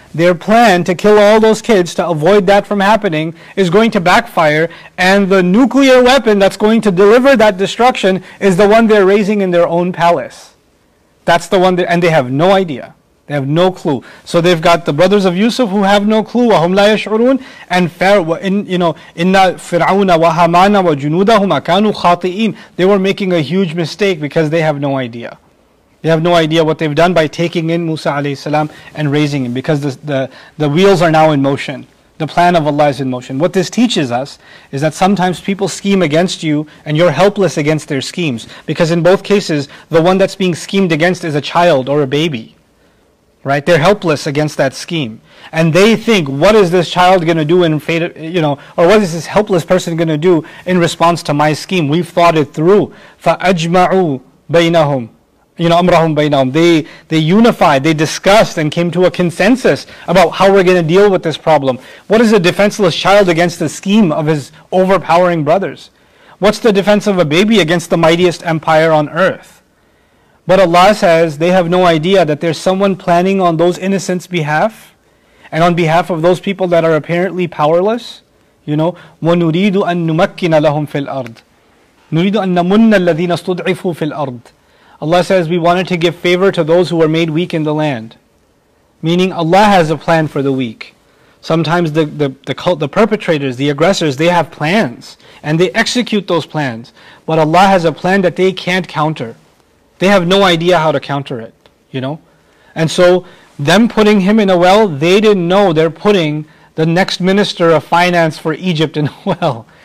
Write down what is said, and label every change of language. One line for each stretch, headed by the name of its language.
English: Their plan to kill all those kids to avoid that from happening is going to backfire, and the nuclear weapon that's going to deliver that destruction is the one they're raising in their own palace. That's the one, and they have no idea. They have no clue. So they've got the brothers of Yusuf who have no clue.
Arabic: وَهُمْ لَا يَشْعُرُونَ. And Pharaoh, إِنَّ فِرْعَوْنَ وَهَامَانَ وَجُنُودَهُمَا كَانُوا خَاطِئِينَ.
English: They were making a huge mistake because they have no idea. They have no idea what they've done by taking in Musa alayhi salam and raising him, because the wheels are now in motion. The plan of Allah is in motion. What this teaches us is that sometimes people scheme against you and you're helpless against their schemes. Because in both cases, the one that's being schemed against is a child or a baby. Right? They're helpless against that scheme. And they think, what is this child going to do in fate, you know, or what is this helpless person going to do in response to my scheme? We've thought it through.
Arabic: فَأَجْمَعُوا بَيْنَهُمْ.
English: You know,
Arabic: أَمْرَهُمْ بَيْنَهُمْ.
English: They unified, they discussed and came to a consensus about how we're going to deal with this problem. What is a defenseless child against the scheme of his overpowering brothers? What's the defense of a baby against the mightiest empire on earth? But Allah says they have no idea that there's someone planning on those innocents' behalf and on behalf of those people that are apparently powerless. You know,
Arabic: وَنُرِيدُ أَن نُمَكِّنَ لَهُمْ فِي الْأَرْضِ نُرِيدُ أَن نَمُنَّ الَّذِينَ اسْتُضْعِفُوا فِي الْأَرْضِ.
English: Allah says, we wanted to give favor to those who were made weak in the land. Meaning Allah has a plan for the weak. Sometimes the perpetrators, the aggressors, they have plans. And they execute those plans. But Allah has a plan that they can't counter. They have no idea how to counter it. You know? And so, them putting him in a well, they didn't know they're putting the next minister of finance for Egypt in a well.